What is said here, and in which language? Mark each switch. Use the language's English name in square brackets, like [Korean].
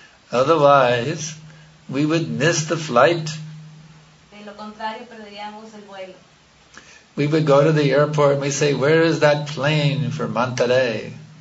[English] Otherwise, we would miss the flight. [Spanish] De lo contrario, perderíamos el vuelo. [English] We would go to the airport and we say, where is that plane for Monterrey?